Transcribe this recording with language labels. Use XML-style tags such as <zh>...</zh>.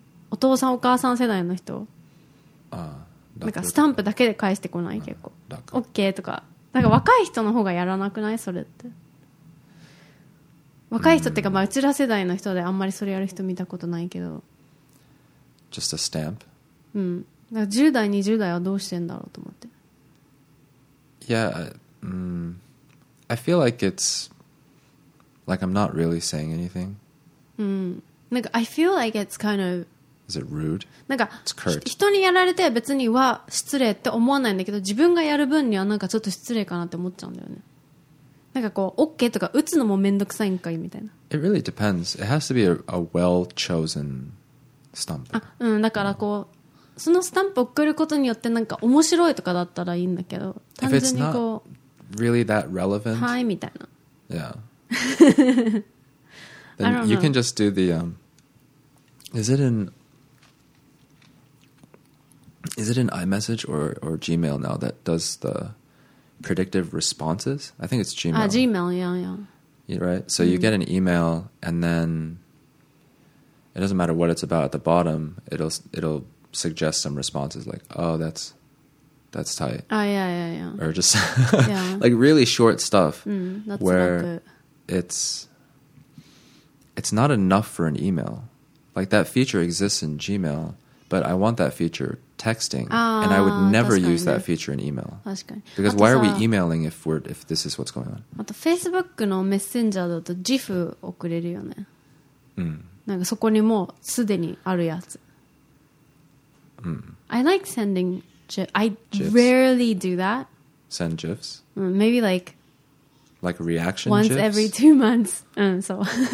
<ja>お父さんお母さん世代の人、なんかスタンプだけで返してこない？結構 OK とか、なんか若い人の方がやらなくない？それって若い人っていうか、まあうちら世代の人であんまりそれやる人見たことないけど、</ja> <en>Just a stamp。</en> <ja>だから10代20代はどうしてんだろうと思って。</ja> <en>Yeah, I feel like it's like I'm not really saying anything。なんか I feel like it's kind of、 Is it rude?</en> <ja>なんか人にやられて別には失礼って思わないんだけど、自分がやる分にはなんかちょっと失礼かなって思っちゃうんだよね。なんかこう OK とか打つのもめんどくさいんかいみたいな。</ja> <en>It really depends. It has to be a well chosen stamp.</en> <ja>だからこう、そのスタンプ送ることによってなんか面白いとかだったらいいんだけど、単純にこう、</ja> <en>If it's not really that relevant,</en> <ja>はいみたいな。</ja> <en>Yeah. Then you can just do the is it anIs it an iMessage or Gmail now that does the predictive responses? I think it's Gmail. Gmail, yeah. Right? So you get an email, and then it doesn't matter what it's about at the bottom, it'll suggest some responses like, oh, that's tight. Yeah. Or just like really short stuff that's where not good. It's not enough for an email. Like that feature exists in Gmail, but I want that feature... texting, and I would never use that feature in email. Because why are we emailing if this is what's going on?</en> <ja>あと Facebook のメッセンジャーだと GIF 送れるよね。なんかそこにもすでにあるやつ。</ja> <en>I like sending GIFs. Rarely do that. Send GIFs? Maybe like... Like reaction GIFs? Once every 2 months. So.</en>